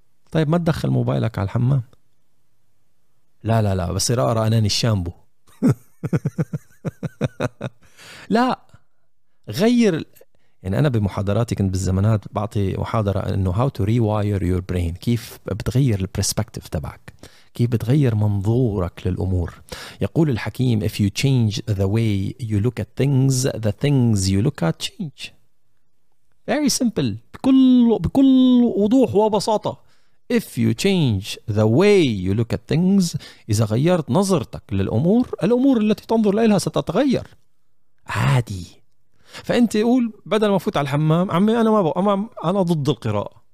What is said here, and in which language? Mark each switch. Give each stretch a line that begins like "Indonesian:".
Arabic: طيب ما تدخل موبايلك على الحمام؟ لا لا لا بصير أقرأ أناني الشامبو. لا غير، يعني أنا بمحاضراتي كنت بالزمانات بعطي محاضرة إنه
English: how to rewire your brain،
Arabic: كيف بتغير البرسبكتيف تبعك، كيف بتغير منظورك للأمور. يقول الحكيم
English: if you change the way you look at things the things you look at change. Very simple،
Arabic: بكل وضوح وبساطة،
English: if you change the way you look at things،
Arabic: إذا غيرت نظرتك للأمور الأمور التي تنظر إليها ستتغير عادي. فأنت قول بدل ما فوت على الحمام، عمي أنا ما بقى، أنا ضد القراءة.